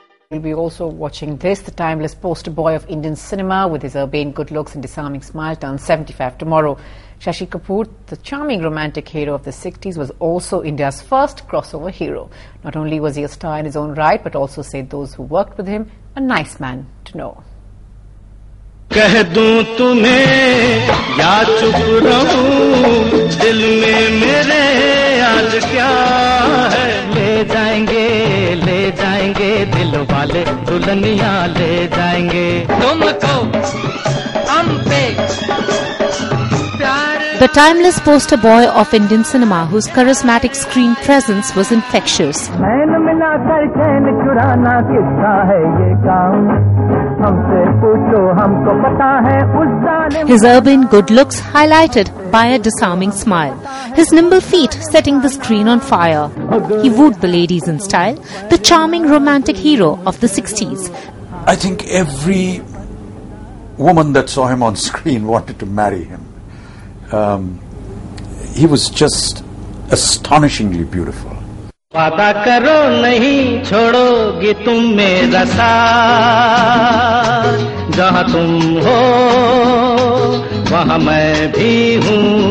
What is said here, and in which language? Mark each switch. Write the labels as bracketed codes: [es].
[en] We'll be also watching this. The timeless poster boy of Indian cinema, with his urbane good looks and disarming smile, turns 75 tomorrow. Shashi Kapoor, the charming romantic hero of the 60s, was also India's first crossover hero. Not only was he a star in his own right, but also said those who worked with him, a nice man to know. [hi] कह दूं तुम्हें या चुप रहूं दिल में मेरे आज क्या है ले जाएंगे दिल वाले दुल्हनिया ले जाएंगे तुमको हम पे [en] The timeless poster boy of Indian cinema, whose charismatic screen presence was infectious. His urban good looks highlighted by a disarming smile. His nimble feet setting the screen on fire. He wooed the ladies in style, the charming romantic hero of the 60s. I think every woman that saw him on screen wanted to marry him. He was just astonishingly beautiful. [hi] वादा करो नहीं छोड़ोगे तुम मेरा साथ जहां तुम हो वहां मैं भी हूं.